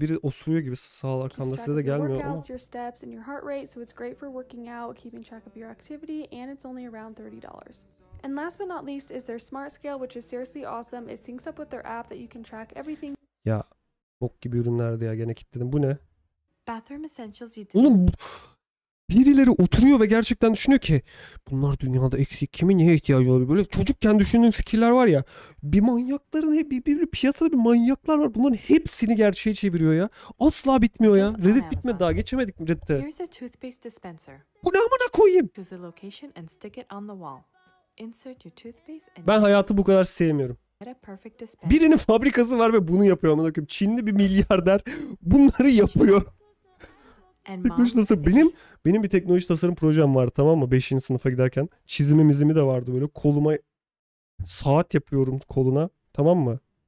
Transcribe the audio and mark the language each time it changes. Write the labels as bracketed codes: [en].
[tr] Biri osuruyor gibi sağ arkamda, size de gelmiyor ama. [en] Your steps and your heart rate, so it's great for working out, keeping track of your activity, and it's only around $30. And last but not least is their smart scale, which is seriously awesome. It syncs up with their app that you can track everything. [tr] Ya bu Bok gibi ürünlerdi ya, gene kilitledim. Bu ne? [en] Bathroom essentials you did. [tr] Oğlum birileri oturuyor ve gerçekten düşünüyor ki bunlar dünyada eksik, kimin neye ihtiyacı var, böyle çocukken düşündüğün fikirler var ya, bir manyakların hep bir piyasada bir manyaklar var, bunların hepsini gerçeğe çeviriyor ya, asla bitmiyor ya. Reddit bitmedi daha, geçemedik mi Reddit'te? [en] Here's a toothpaste dispenser. [tr] Bu ne amına koyayım? [en] Choose a location and stick it on the wall. Insert your toothpaste and... [tr] Ben hayatı bu kadar sevmiyorum. Birinin fabrikası var ve bunu yapıyor amına koyayım. Çinli bir milyarder bunları yapıyor. Teknoloji nasıl? Benim bir teknoloji tasarım projem var, tamam mı? 5. sınıfa giderken çizimim izimi de vardı böyle. Koluma saat yapıyorum, koluna, tamam mı?